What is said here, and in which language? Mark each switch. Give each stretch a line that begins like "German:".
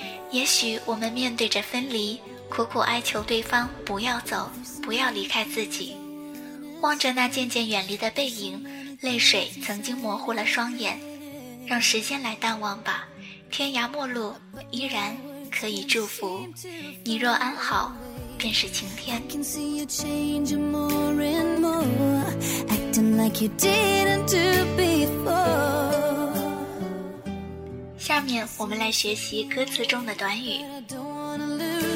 Chinese: 也许我们面对着分离，苦苦哀求对方不要走，不要离开自己，望着那渐渐远离的背影，泪水曾经模糊了双眼。让时间来淡忘吧，天涯陌路依然可以祝福你，若安好便是晴天。
English: I can see you change more and more, acting like you didn't do before.
Chinese: 下面我们来学习歌词中的短语。